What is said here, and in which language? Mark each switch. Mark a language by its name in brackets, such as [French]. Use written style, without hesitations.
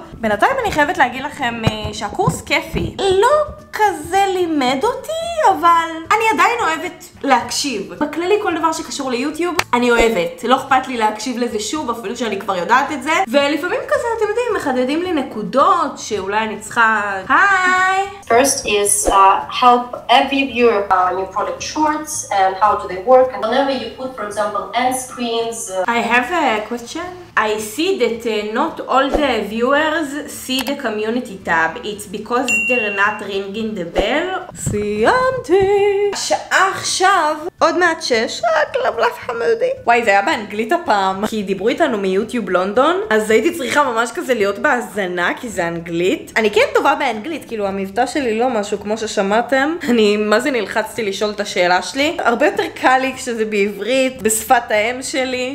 [Hebrew] בינתיים אני חייבת להגיד לכם שהקורס כיפי. לא כזה לימד אותי, אבל אני עדיין אוהבת להקשיב. בכללי כל דבר שקשור ליוטיוב, אני אוהבת. לא אכפת לי להקשיב לזה שוב, אפילו שאני כבר יודעת את זה. ולפעמים כזה, אתם יודעים, מחדדים לי נקודות שאולי אני צריכה... היי! [English] First is help every viewer on your product shorts and how do they work. And whenever you put, for example, end screens... I have a question. I see that not all the viewers see the community tab. It's because they're not ringing the bell. [Hebrew] סיימתי. השעה עכשיו, עוד מעט 6, הכלבלף חמודי. וואי, זה היה באנגלית הפעם. כי דיברו איתנו מיוטיוב לונדון, אז הייתי צריכה ממש כזה להיות בהזנה, כי זה אנגלית. אני כן טובה באנגלית, כאילו המבטא שלי לא משהו כמו ששמעתם. אני, מה זה נלחצתי לשאול את השאלה שלי? הרבה יותר קל לי כשזה בעברית, בשפת האם שלי.